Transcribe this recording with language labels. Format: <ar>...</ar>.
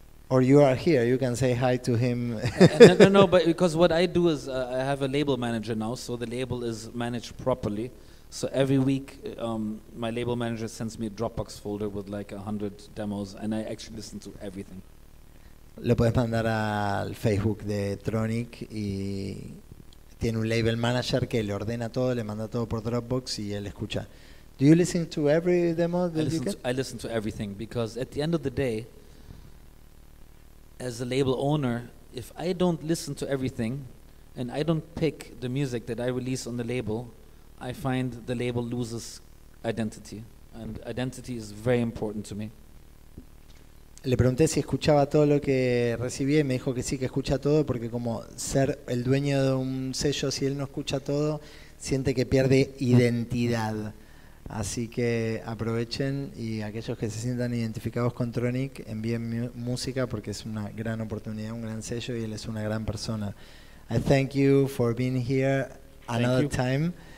<en>Or you are here, you can say hi to him. No, but because what I do is I have a label manager now, so the label is managed properly. So every week, my label manager sends me a Dropbox folder with like 100 demos, and I actually listen to everything.</en> <es>Lo puedes mandar al Facebook de Tronic, y tiene un label manager que le ordena todo, le manda todo por Dropbox, y él escucha.</es> <en>Do you listen to every demo that you get? I listen to everything, because at the end of the day, as a label owner, if I don't listen to everything, and I don't pick the music that I release on the label, I find the label loses identity, and identity is very important to me.</en> <es>Le pregunté si escuchaba todo lo que recibía y me dijo que sí, que escucha todo, porque como ser el dueño de un sello, si él no escucha todo, siente que pierde identidad. Así que aprovechen, y aquellos que se sientan identificados con Tronic, envíen música, porque es una gran oportunidad, un gran sello, y él es una gran persona.</es> <en>I thank you for being here another time.</en>